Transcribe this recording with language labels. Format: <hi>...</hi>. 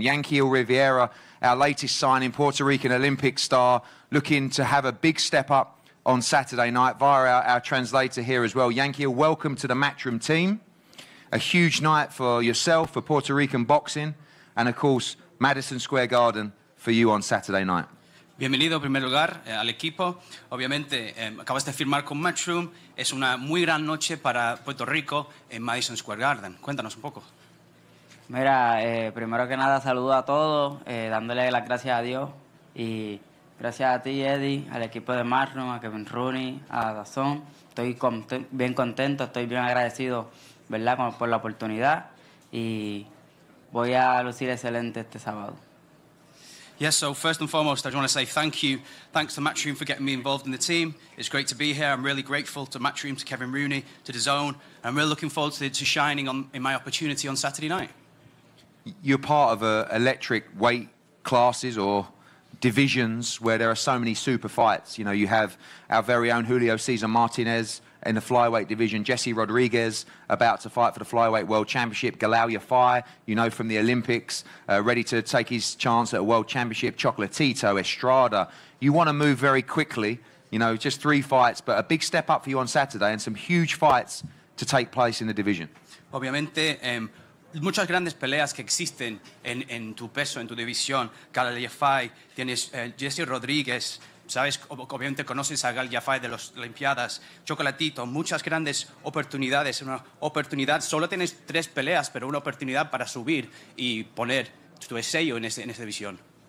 <en>Yankiel Rivera, our latest signing, Puerto Rican Olympic star, looking to have a big step up on Saturday night via our translator here as well. Yankiel, welcome to the Matchroom team. A huge night for yourself, for Puerto Rican boxing, and of course, Madison Square Garden for you on Saturday night.</en> <es>Bienvenido, en primer lugar, al equipo. Obviamente, acabas de firmar con Matchroom. Es una muy gran noche para Puerto Rico en Madison Square Garden. Cuéntanos un poco. Mira, primero que nada, saludo a todos, dándole las gracias a Dios. Y gracias a ti, Eddie, al equipo de Matchroom, a Kevin Rooney, a DAZN. Estoy bien contento, estoy bien agradecido, ¿verdad?, por la oportunidad. Y voy a lucir excelente este sábado.</es> <en>Yes, so first and foremost, I just want to say thank you. Thanks to Matchroom for getting me involved in the team. It's great to be here. I'm really grateful to Matchroom, to Kevin Rooney, to DAZN. I'm really looking forward to shining in my opportunity on Saturday night. You're part of electric weight classes or divisions where there are so many super fights. You know, you have our very own Julio Cesar Martinez in the flyweight division, Jesse Rodriguez about to fight for the flyweight world championship, Galauya Fire, you know, from the Olympics, ready to take his chance at a world championship, Chocolatito, Estrada. You want to move very quickly, you know, just three fights, but a big step up for you on Saturday and some huge fights to take place in the division.</en> <es>Obviamente, muchas grandes peleas que existen en tu peso, en tu división. Galauya Fire, tienes Jesse Rodriguez. Sabes, obviamente conoces a Gal Yafai de las Olimpiadas, Chocolatito, muchas grandes oportunidades, una oportunidad, solo tienes tres peleas, pero una oportunidad para subir y poner tu sello en esa división.</es>